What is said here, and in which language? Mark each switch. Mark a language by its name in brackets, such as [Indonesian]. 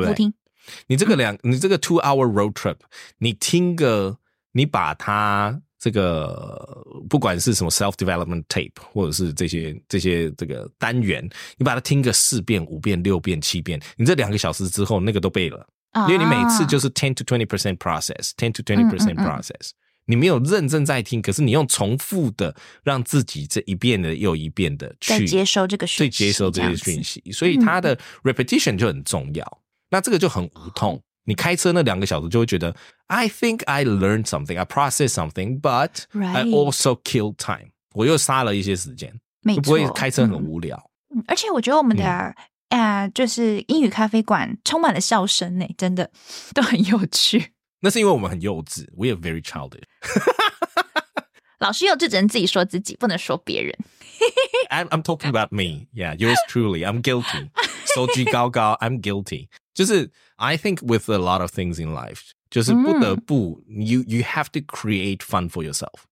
[Chinese] 对不对，你这个 2-hour road trip 你听个你把它这个不管是什么 [English] self development tape [Chinese] 或者是这些这个单元，你把它听个4遍、5遍、6遍、7遍，你这2个小时之后那个都背了，因为你每次就是 [English] 10 to 20% process， [Chinese] 10 to 20% process， 你没有认真在听，可是你用重复的让自己这一遍的又一遍的去接收这个讯息，接收这些讯息，所以它的 repetition 就很重要，那这个就很无痛。你开车那2个小时就会觉得 [English] I think I learned something, I processed something, but、 right. I also killed time. [Chinese] 我又杀了一些时间。没错。不会开车很无聊。而且我觉得我们的就是英语咖啡馆充满了笑声耶，真的都很有趣。那是因为我们很幼稚， [English] We are very childish. [Chinese] 老师幼稚只能自己说自己，不能说别人。 [English] I'm talking about me. Yeah, yours truly. I'm guilty. [Chinese] 手举高高 [English] I'm guilty. 就是 I think with a lot of things in life, [Chinese] 就是不得不、 [English] you have to create fun for yourself.